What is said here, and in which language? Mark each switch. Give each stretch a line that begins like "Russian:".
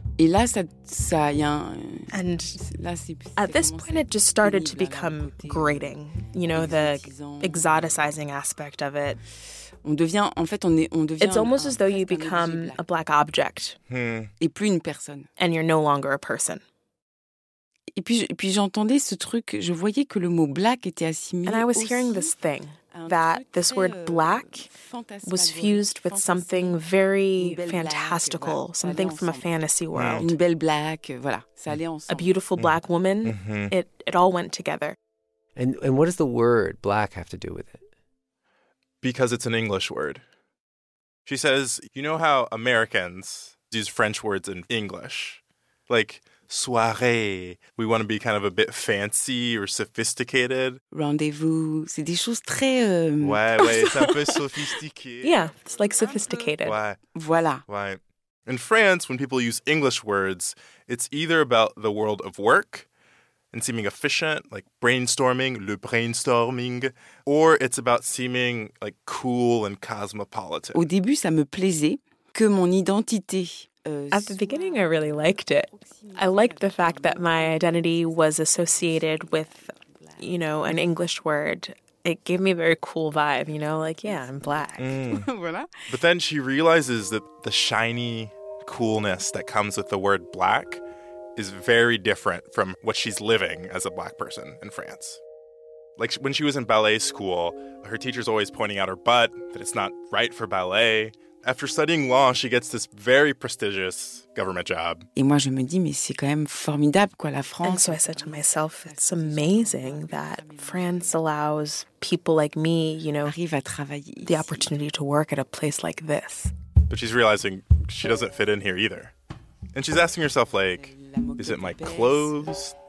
French: Et là, ça y a un...
English: And
French: là, c'est
English: at this point, it just started to become grating. You know, the exoticizing aspect of it.
French: On devient, en fait, on devient
English: it's almost as though you become a black object. Hmm.
French: Et plus une personne.
English: And you're no longer a person.
French: Et puis j'entendais ce truc, je voyais que le mot black était assimilé.
English: And I was hearing this thing, that this word black was fused with something very fantastical, something from a fantasy world.
French: Une belle black, voilà, ça allait ensemble.
English: A beautiful black woman, it all went together. And what does the word black have to do with it? Because it's an English word. She says, you know how Americans use French words in English? Like... soirée. We want to be kind of a bit fancy or sophisticated.
French: Rendez-vous. C'est des choses très... Ouais, c'est un peu sophistiqué.
English: Yeah, it's like sophisticated.
French: Ouais. Voilà. Ouais.
English: In France, when people use English words, it's either about the world of work and seeming efficient, like brainstorming, le brainstorming, or it's about seeming like cool and cosmopolitan.
French: Au début, ça me plaisait que mon identité...
English: At the beginning, I really liked it. I liked the fact that my identity was associated with, you know, an English word. It gave me a very cool vibe, you know, like, yeah, I'm black.
French: Voilà.
English: But then she realizes that the shiny coolness that comes with the word black is very different from what she's living as a black person in France. Like, when she was in ballet school, her teacher's always pointing out her butt, that it's not right for ballet. After studying law, she gets this very prestigious government job.
French: Et moi, je me dis, mais c'est quand même formidable, quoi, la France.
English: And so I said to myself, it's amazing that France allows people like me, you know,
French: arrive à travailler
English: the opportunity to work at a place like this. But she's realizing she doesn't fit in here either. And she's asking herself, like, is it my clothes?